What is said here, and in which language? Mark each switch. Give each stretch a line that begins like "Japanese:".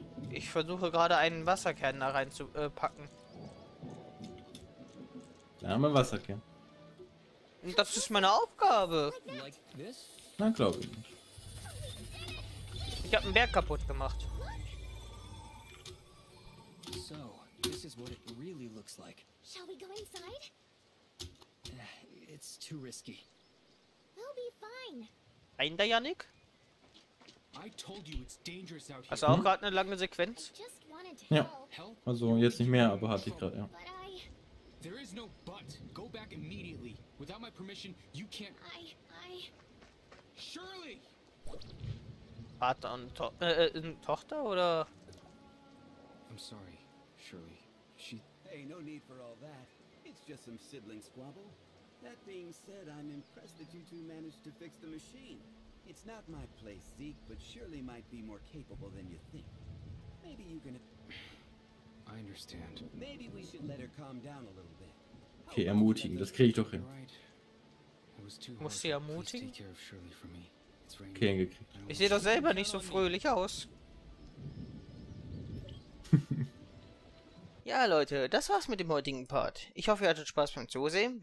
German: Ich versuche gerade einen Wasserkern da rein zu packen. Da haben wir einen Wasserkern. Und das ist meine Aufgabe. Nein, glaube ich nicht. Ich habe einen Berg kaputt gemacht.
English: So, this is what it really looks like. Shall we go inside? It's too risky. We'll be fine.
German: Rein da, Yannick?
English: I told you it's dangerous out here.
German: Hast du auch gerade eine lange Sequenz? Ja. Also jetzt nicht mehr, aber hatte ich gerade, ja.
English: There is no but. Go back immediately. Without my permission, you can't. I. Shirley!
German: Vater und Tochter oder?
English: I'm sorry, Shirley. She. Hey, no need for all that. It's just some sibling squabble. That being said, I'm impressed that you two managed to fix the machine. It's not my place, Zeke, but Shirley might be more capable than you think. Maybe you can. I understand. Maybe we should let her calm down a little bit.
German: Okay, ermutigen, das kriege ich doch hin. Muss sie ermutigen? Okay, hingekriegt. Ich sehe doch selber nicht so fröhlich aus. Ja, Leute, das war's mit dem heutigen Part. Ich hoffe, ihr hattet Spaß beim Zusehen.